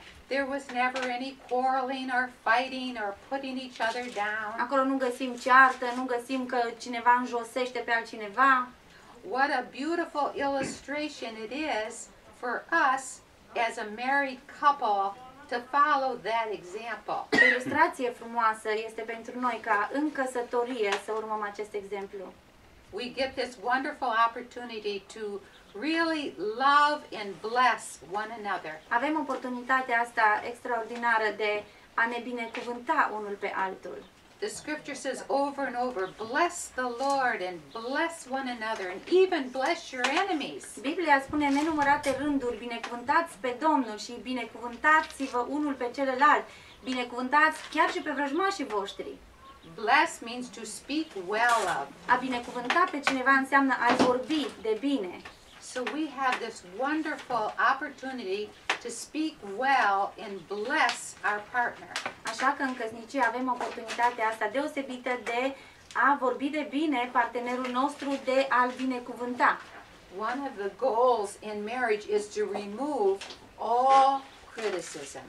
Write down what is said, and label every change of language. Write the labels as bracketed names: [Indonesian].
[English] There was never any quarreling or fighting or putting each other down. [Romanian] Acolo nu găsim ceartă, nu găsim că cineva înjosește pe altcineva. [English] What a beautiful illustration it is for us as a married couple to follow that example. [Romanian] O ilustrație frumoasă este pentru noi ca în căsătorie să urmăm acest exemplu. [English] We get this wonderful opportunity to really love and bless one another. [Romanian] Avem oportunitatea asta extraordinară de a ne binecuvânta unul pe altul. [English] The scripture says over and over, bless the Lord and bless one another and even bless your enemies. [Romanian] Biblia spune în nenumărate rânduri, binecuvântați pe Domnul și binecuvântați-vă unul pe celălalt. Binecuvântați chiar și pe vrăjmașii voștri. [English] Bless means to speak well of. [Romanian] A binecuvânta pe cineva înseamnă a vorbi de bine. [English] So we have this wonderful opportunity to speak well and bless our partner. [Romanian] Așa că în căsnicie avem oportunitatea asta deosebită de a vorbi de bine partenerul nostru, de a-l binecuvânta. [English] One of the goals in marriage is to remove all criticism.